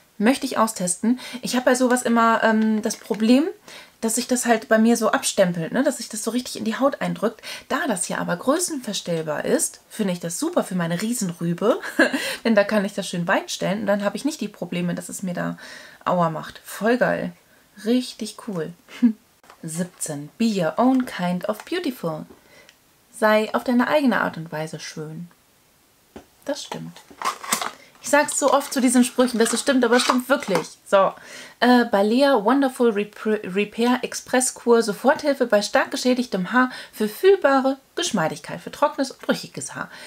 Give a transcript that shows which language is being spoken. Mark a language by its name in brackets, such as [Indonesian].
[German] Möchte ich austesten. Ich habe bei sowas immer das Problem, dass sich das halt bei mir so abstempelt, ne? Dass sich das so richtig in die Haut eindrückt. Da das hier aber größenverstellbar ist, finde ich das super für meine Riesenrübe. Denn da kann ich das schön weit stellen und dann habe ich nicht die Probleme, dass es mir da Aua macht. Voll geil. Richtig cool. 17. [English] Be your own kind of beautiful. [German] Sei auf deine eigene Art und Weise schön. Das stimmt. Ich sag's so oft zu diesen Sprüchen, dass es stimmt, aber es stimmt wirklich. So, Balea Wonderful Repair Express Kur. Soforthilfe bei stark geschädigtem Haar für fühlbare Geschmeidigkeit, für trockenes und brüchiges Haar.